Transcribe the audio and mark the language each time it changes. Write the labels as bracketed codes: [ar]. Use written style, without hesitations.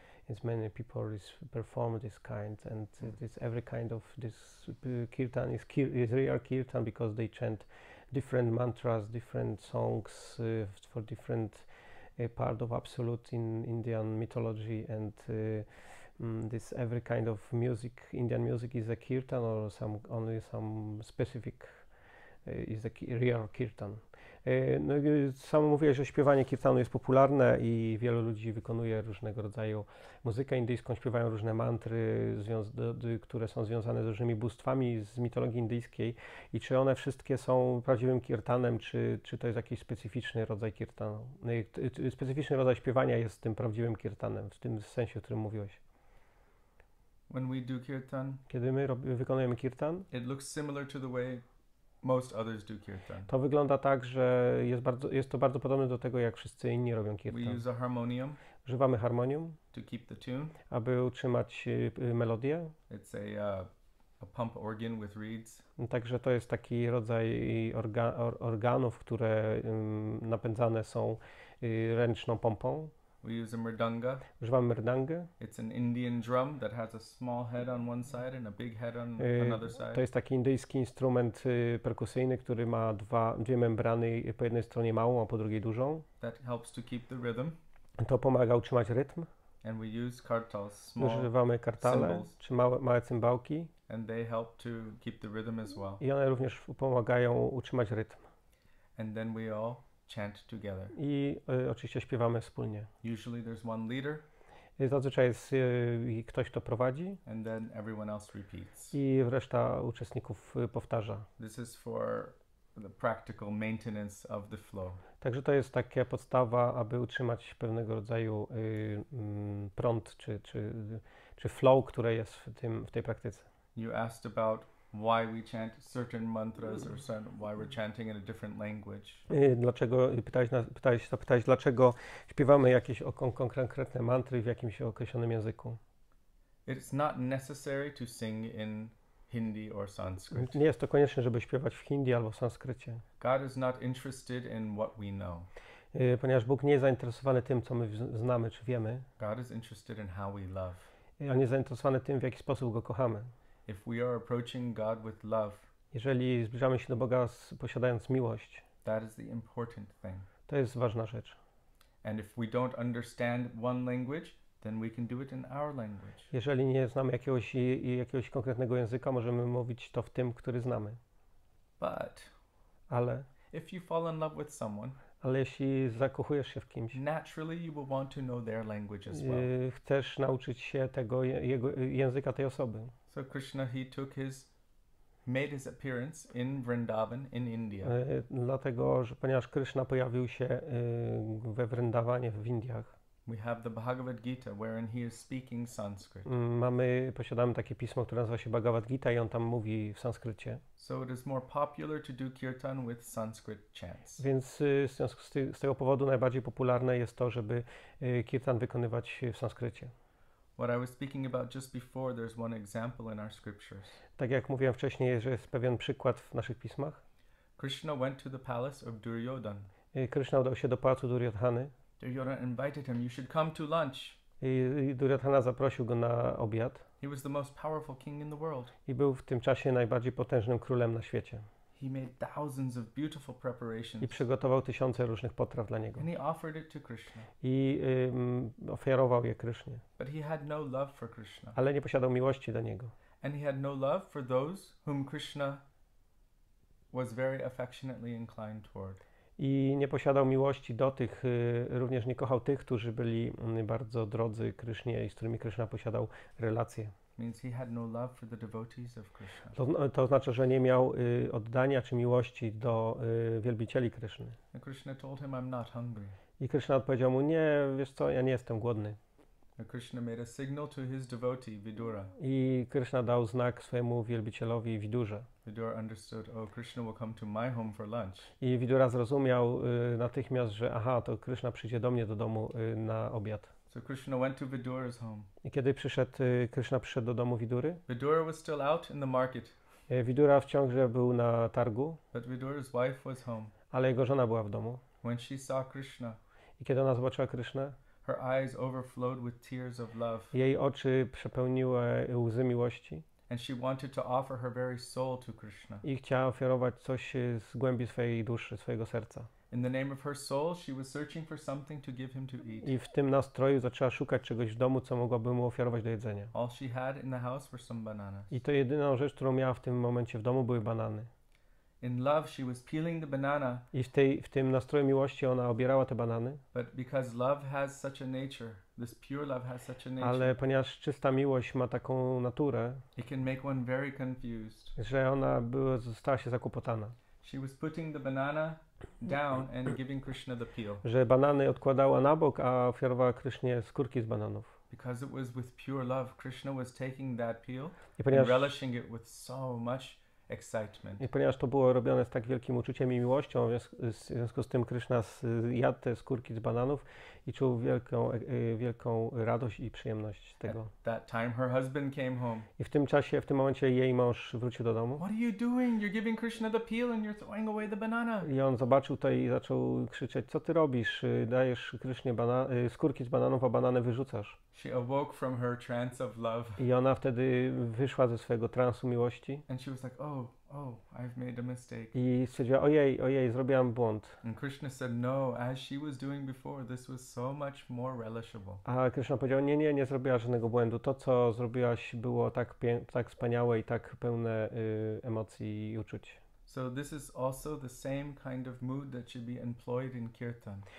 [en] It's many people is perform this kind, and this every kind of this kirtan is real kirtan because they chant different mantras, different songs for different part of absolute in Indian mythology and. This every kind of music, Indian music, is a kirtan or some only some specific is a real kirtan. [pl] No i sam mówiłeś, że śpiewanie kirtanu jest popularne i wielu ludzi wykonuje różnego rodzaju muzykę indyjską, śpiewają różne mantry, które są związane z różnymi bóstwami z mitologii indyjskiej. I czy one wszystkie są prawdziwym kirtanem, czy to jest jakiś specyficzny rodzaj kirtanu? Specyficzny rodzaj śpiewania jest tym prawdziwym kirtanem, w tym sensie, o którym mówiłeś. [en] When we do kirtan, [pl] Kiedy my wykonujemy kirtan, [en] it looks similar to the way most others do kirtan. [pl] to wygląda tak, że jest to bardzo podobne do tego, jak wszyscy inni robią [en] We [pl] kirtan. [en] use a harmonium [pl] Używamy harmonium, [en] to keep the tune. [pl] aby utrzymać melodię. [en] It's a pump organ with reeds. [pl] Także to jest taki rodzaj organów, które napędzane są ręczną pompą. [en] We use a mrdanga. [pl] Używamy mrdangę. [en] It's an Indian drum that has a small head on one side and a big head on another side. [pl] To jest taki indyjski instrument perkusyjny, który ma dwie membrany, po jednej stronie małą, a po drugiej dużą. [en] That helps to keep the rhythm. [pl] To pomaga utrzymać rytm. [en] And we use kartals, small [pl] Używamy kartale, [en] cymbals, [pl] czy małe cymbałki. [en] And they help to keep the rhythm as well. [pl] I one również pomagają utrzymać rytm. [en] And then we all chant together. [pl] I oczywiście śpiewamy wspólnie. [en] Usually there's one leader. [pl] Zazwyczaj jest ktoś, kto prowadzi [en] and then everyone else repeats. [pl] I reszta uczestników powtarza. [en] This is for the practical maintenance of the flow. [pl] Także to jest taka podstawa, aby utrzymać pewnego rodzaju prąd czy flow, które jest w tej praktyce. [en] You asked about why we chant certain mantras or why we're chanting in a different language. [pl] Dlaczego pytałeś, dlaczego śpiewamy jakieś konkretne mantry w jakimś określonym języku? [en] It's not necessary to sing in Hindi or Sanskrit. [pl] Nie jest to konieczne, żeby śpiewać w hindi albo w sanskrycie. [en] God is not interested in what we know. [pl] Ponieważ Bóg nie jest zainteresowany tym, co my znamy czy wiemy. [en] God is interested in how we love. [pl] On jest zainteresowany tym, w jaki sposób go kochamy. [en] If we are approaching God with love, [pl] jeżeli zbliżamy się do Boga posiadając miłość, [en] that is the important thing. [pl] To jest ważna rzecz. [en] And if we don't understand one language, then we can do it in our language. [pl] Jeżeli nie znamy jakiegoś konkretnego języka, możemy mówić to w tym, który znamy. [en] But [pl] ale [en] if you fall in love with someone, [pl] ale jeśli zakochujesz się w kimś, [en] naturally you will want to know their language as well. [pl] Chcesz nauczyć się tego języka tej osoby. [en] So Krishna, he took his, made his appearance in Vrindavan in India. [pl] Dlatego, że ponieważ Krishna pojawił się we Vrindavanie w Indiach. [en] We have the Bhagavad Gita, wherein he is speaking Sanskrit. [pl] Posiadamy takie pismo, które nazywa się Bhagavad Gita i on tam mówi w sanskrycie. [en] So it is more popular to do kirtan with Sanskrit chants. [pl] Więc w związku z tego powodu najbardziej popularne jest to, żeby kirtan wykonywać w sanskrycie. [en] What I was speaking about just before, there's one example in our scriptures. [pl] Tak jak mówiłem wcześniej, że jest pewien przykład w naszych pismach. [en] Krishna went to the palace of Duryodhan. [pl] Krishna udał się do pałacu Duryodhany. [en] Duryodhan invited him, you should come to lunch. [pl] I Duryodhana zaprosił go na obiad. [en] He was the most powerful king in the world. [pl] I był w tym czasie najbardziej potężnym królem na świecie. [en] He made thousands of beautiful preparations. [pl] I przygotował tysiące różnych potraw dla niego. [en] And he offered it to Krishna. [pl] I ofiarował je Krishnie. [en] But he had no love for Krishna. [pl] Ale nie posiadał miłości do niego. [en] And he had no love for those whom Krishna was very affectionately inclined toward. [pl] I nie posiadał miłości do tych, również nie kochał tych, którzy byli bardzo drodzy Krishnie i z którymi Krishna posiadał relacje. [en] Means he had no love for the devotees of Krishna. [pl] To znaczy, że nie miał oddania czy miłości do wielbicieli Kryszny. [en] And Krishna told him, I'm not hungry. [pl] I Kryszna odpowiedział mu, nie, wiesz co, ja nie jestem głodny. [en] And Krishna made a signal to his devotee, Vidura. [pl] I Krishna dał znak swojemu wielbicielowi Vidurze. [en] Vidura understood, oh, Krishna will come to my home for lunch. [pl] I Vidura zrozumiał natychmiast, że aha, to Krishna przyjdzie do mnie do domu na obiad. [en] So Krishna went to Vidura's home. [pl] I kiedy przyszedł, Krishna przyszedł do domu Vidury? [en] Vidura was still out in the market. [pl] Vidura wciąż był na targu. [en] But Vidura's wife was home. [pl] Ale jego żona była w domu. [en] When she saw Krishna, [pl] i kiedy ona zobaczyła Krishnę, [en] her eyes overflowed with tears of love. [pl] Jej oczy przepełniły łzy miłości. [en] And she wanted to offer her very soul to Krishna. [pl] I chciała ofiarować coś z głębi swojej duszy, swojego serca. [en] In the name of her soul, she was searching for something to give him to eat. [pl] I w tym nastroju zaczęła szukać czegoś w domu, co mogłaby mu ofiarować do jedzenia. [en] All she had in the house were some bananas. [pl] I to jedyną rzecz, którą miała w tym momencie w domu, były banany. [en] In love, she was peeling the banana. [pl] I w tym nastroju miłości ona obierała te banany. [en] But because love has such a nature, this pure love has such a nature. [pl] Ale ponieważ czysta miłość ma taką naturę, [en] it can make one very confused. [pl] Że ona została się zakłopotana. [en] She was putting the banana down and giving Krishna the peel. [pl] Że banany odkładała na bok, a ofiarowała Krishnie skórki z bananów. [en] Because it was with pure love, Krishna was taking that peel and relishing it with so much excitement. [pl] I ponieważ to było robione z tak wielkim uczuciem i miłością, w związku z tym Krishna jadł te skórki z bananów i czuł wielką radość i przyjemność z tego. [en] At that time her husband came home. [pl] I w tym czasie, w tym momencie jej mąż wrócił do domu. [en] What are you doing? You're giving Krishna the peel and you're throwing away the banana. [pl] I on zobaczył to i zaczął krzyczeć, co ty robisz? Dajesz Krishnie skórki z bananów, a banany wyrzucasz. [en] She awoke from her trance of love. [pl] I ona wtedy wyszła ze swojego transu miłości. [en] And she was like, oh, I've made a mistake. [pl] I stwierdziła, ojej, zrobiłam błąd. [en] And Krishna said, no, as she was doing before, this was so much more relishable. [pl] A Krishna powiedział, nie zrobiłaś żadnego błędu. To, co zrobiłaś, było tak wspaniałe i tak pełne emocji i uczuć. [en] So this is also the same kind of mood that should be employed in kirtan.